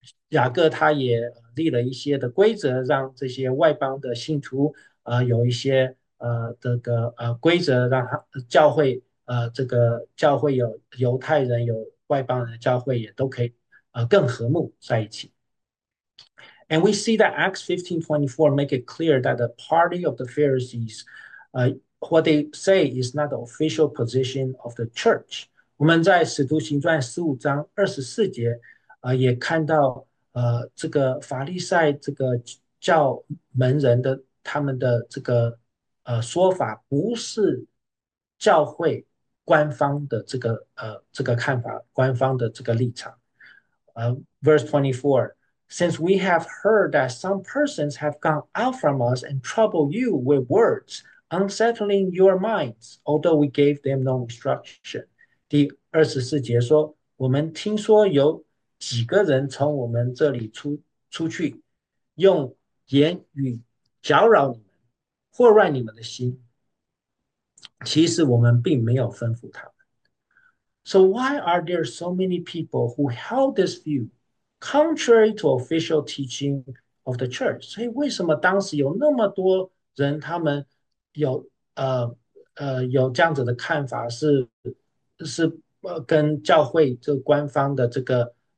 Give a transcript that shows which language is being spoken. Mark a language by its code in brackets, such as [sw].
[zh] 雅各他也立了一些的规则，让这些外邦的信徒有一些这个规则，让他教会这个教会有犹太人有外邦人的教会也都可以更和睦在一起。 [en] And we see that Acts 15:24 make it clear that the party of the Pharisees, what they say is not the official position of the church. [zh] 我们在使徒行传15:24，也看到。这个法利赛这个教门人的他们的这个说法不是教会官方的这个看法，官方的这个立场。 [en] Verse 24, since we have heard that some persons have gone out from us and troubled you with words, unsettling your minds, although we gave them no instruction. [zh] 第24节说，我们听说有。几个人从我们这里出去，用言语搅扰你们，祸乱你们的心。其实我们并没有吩咐他们。 [en] So why are there so many people who held this view contrary to official teaching of the church？ [zh] 所以为什么当时有那么多人，他们有这样子的看法是跟教会这官方的这个。